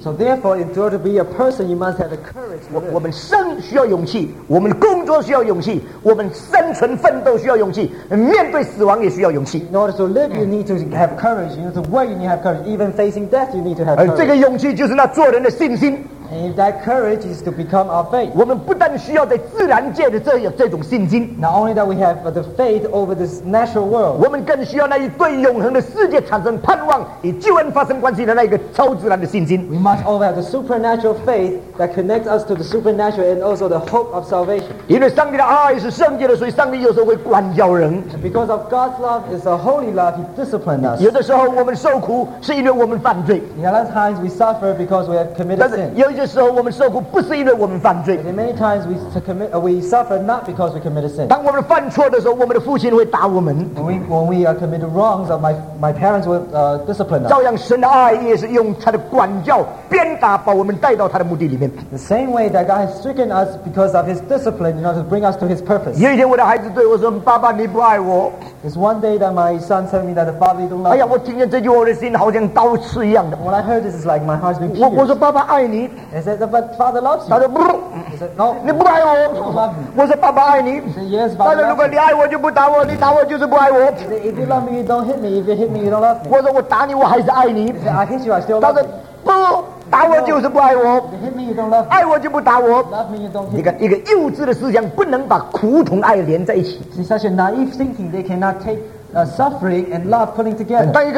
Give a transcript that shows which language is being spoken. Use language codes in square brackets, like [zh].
[en] So therefore, in order to be a person, you must have the courage. [zh] 我们生需要勇气，我们工作需要勇气，我们生存奋斗需要勇气，面对死亡也需要勇气。 [en] In order to live, you need to have courage. You need to work, you need to have courage. Even facing death, you need to have courage. [zh] 这个勇气就是那做人的信心。 [en] And that courage is to become our faith. [zh] 我们不但需要在自然界的这种信心。 [en] Not only that we have the faith over this natural world. [zh] 我们更需要那一对永恒的世界产生盼望，以救恩发生关系的那一个超自然的信心。 [en] We must all have the supernatural faith that connects us to the supernatural and also the hope of salvation. [zh] 因为上帝的爱是圣洁的，所以上帝有时候会管教人。 [en] Because of God's love is a holy love, He disciplines us. [zh] 有的时候我们受苦是因为我们犯罪。 [en] A lot of times we suffer because we have committed sin. [zh] 有些时候我们受苦不是因为我们犯罪。 [en] Many times we suffer not because we committed sin. [zh] 当我们犯错的时候，我们的父亲会打我们。 [en] When we are committed wrongs, my parents will discipline us. [zh] 照样，神的爱也是用他的管教鞭打，把我们带到他的目的里面。 [en] The same way that God has stricken us because of His discipline, in order to bring us to His purpose. [zh] 有一天，我的孩子对我说：“爸爸，你不爱我。” [en] It's one day that my son told me that the father don't love. [zh] 哎呀，我听见这句话，我的心好像刀刺一样的。 [en] When I heard this, it's like my heart's been. [zh] 我说：“爸爸爱你。” [en] He said, "But father loves you." [zh] 他说不。 [en] He said, "No." [zh] 你不爱我。 [en] Don't love me. [zh] 我说爸爸爱你。 [en] He said, "Yes, father." [zh] 他说如果你爱我就不打我，你打我就是不爱我。 [en] He said, "If you love me, you don't hit me. If you hit me, you don't love me." [zh] 我说我打你，我还是爱你。 [en] He said, "I hit you, I still love you." [zh] 他说不。打我就是不爱我， [en] me, [zh] 爱我就不打我。一个幼稚的思想不能把苦痛爱连在一起。 [en] Such a naive thinking, they cannot take suffering and love putting together.